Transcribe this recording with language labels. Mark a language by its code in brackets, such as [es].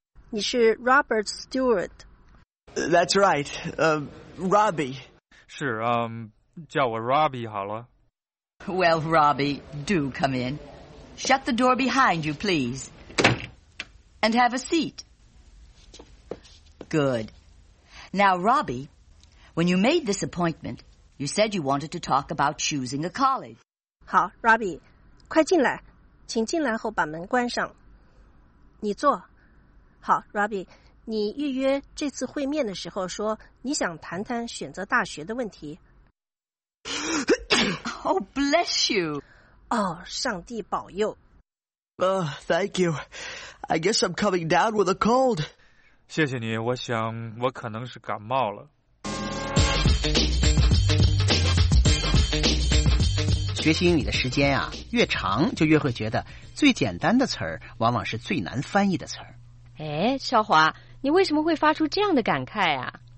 [zh] 你是 Robert Stewart. [en] That's right. Robbie. [zh] 是，叫我 Robbie 好了。 [en] Well, Robbie, do come in. Shut the door behind you, please. And have a seat. Good. Now, Robbie, when you made this appointment, you said you wanted to talk about choosing a college. [zh] 好 ,Robbie, 快进来。请进来后把门关上。你坐。好 ,Robbie, 你预约这次会面的时候说你想谈谈选择大学的问题。 [en] Oh, bless you! [zh] 哦、oh, 上帝保佑。 [en] Thank you. I guess I'm coming down with a cold. [zh] 谢谢你，我想我可能是感冒了。学习英语的时间啊，越长就越会觉得最简单的词儿往往是最难翻译的词儿。哎，少华，你为什么会发出这样的感慨啊？